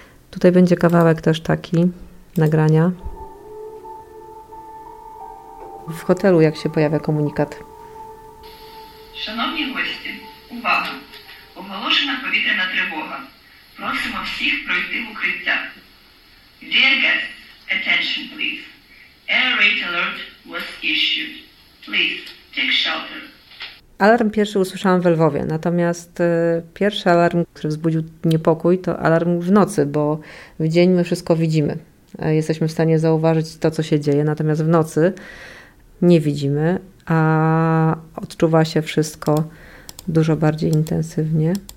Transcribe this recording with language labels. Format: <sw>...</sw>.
<pl>Tutaj będzie kawałek też taki, nagrania. W hotelu, jak się pojawia komunikat. Szanowni goście, uwaga, ogłoszona powietrzna trwoga. Prosimy wszystkich przejść w ukrycie.</pl> <en>Dear guests, attention please. Air raid alert was issued. Please take shelter.</en> <pl>Alarm pierwszy usłyszałam we Lwowie, natomiast pierwszy alarm, który wzbudził niepokój, to alarm w nocy, bo w dzień my wszystko widzimy. Jesteśmy w stanie zauważyć to, co się dzieje, natomiast w nocy nie widzimy, a odczuwa się wszystko dużo bardziej intensywnie.</pl>